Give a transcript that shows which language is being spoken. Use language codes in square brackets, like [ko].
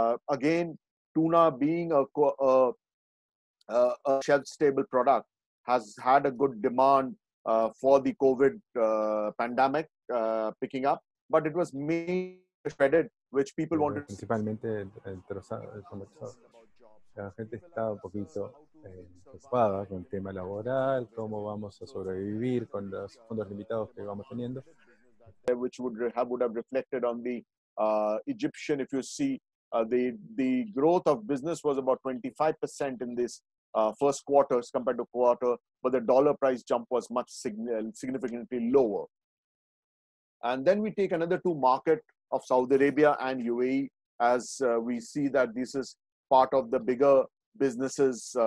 [en] Again, tuna being a shelf-stable product has had a good demand for the COVID pandemic. Picking up, but it was mainly shredded, which people wanted. [es] Principalmente el trozado, el comercio. La gente está un poquito preocupada con el tema laboral, cómo vamos a sobrevivir con los fondos limitados que vamos teniendo. [en] Which would have reflected on the Egyptian. If you see the growth of business was about 25% in this first quarter as compared to quarter, but the dollar price jump was much significantly lower. And then we take another two market of Saudi Arabia and UAE, as we see that this is part of the bigger businesses.